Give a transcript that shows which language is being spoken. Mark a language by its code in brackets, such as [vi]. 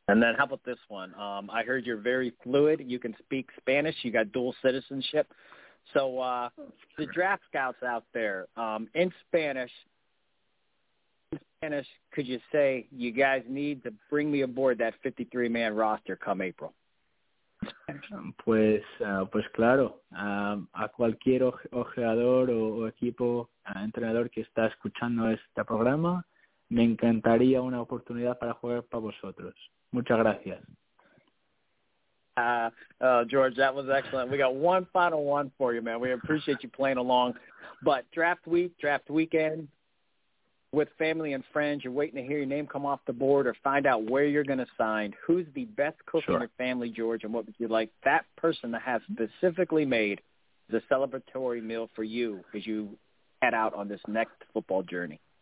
[en] And then how about this one? I heard you're very fluid. You can speak Spanish. You got dual citizenship. So the draft scouts out there, in Spanish, could you say, you guys need to bring me aboard that 53-man roster come April? [es] Pues claro. A cualquier ojeador o equipo entrenador que está escuchando este programa, me encantaría una oportunidad para jugar para vosotros. Muchas gracias. [en] George, that was excellent. We got one final one for you, man. We appreciate you playing along. But draft week, draft weekend, with family and friends, you're waiting to hear your name come off the board or find out where you're going to sign. Who's the best cook in your family, George, and what would you like that person to have specifically made the celebratory meal for you as you head out on this next football journey?